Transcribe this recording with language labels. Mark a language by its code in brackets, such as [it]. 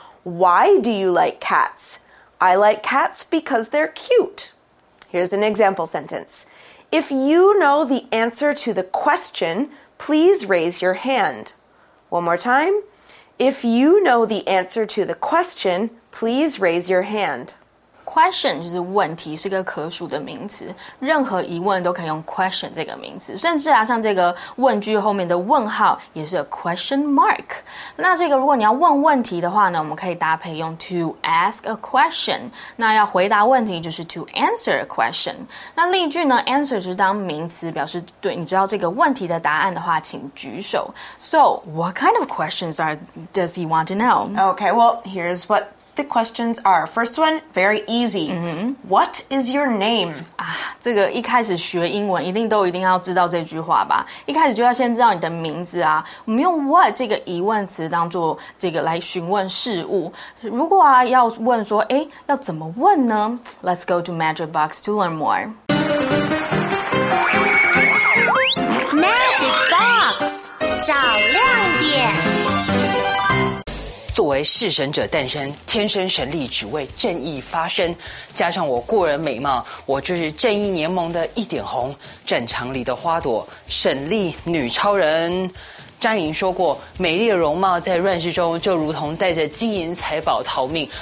[en] Why do you like cats? I like cats because they're cute. Here's an example sentence. If you know the answer to the question, please raise your hand. One more time. If you know the answer to the question, please raise your hand. [zh] Question 就是问题，是个可数的名词。任何疑问都可以用 question 这个名词。甚至啊，像这个问句后面的问号也是 question mark。那这个如果你要问问题的话呢，我们可以搭配用 [en] to ask a question。 [zh] 那要回答问题就是 [en] to answer a question。 [zh] 那例句呢 ，answer 就是当名词，表示对你知道这个问题的答案的话，请举手。 [en] So, what kind of questions does he want to know? Okay, well, here's what. The questions are, first one, very easy.、 Mm-hmm. What is your name? [zh] 这个一开始学英文一定要知道这句话吧。一开始就要先知道你的名字啊。我们用 what 这个疑问词当做这个来询问事物。如果啊要问说诶要怎么问呢 ? [en] Let's go to Magic Box to learn more. [zh] Magic Box, 找亮点。作为弑神者诞生，天生神力，只为正义发声。加上我过人美貌，我就是正义联盟的一点红，战场里的花朵，神力女超人。张颖说过，美丽的容貌在乱世中就如同带着金银财宝逃命。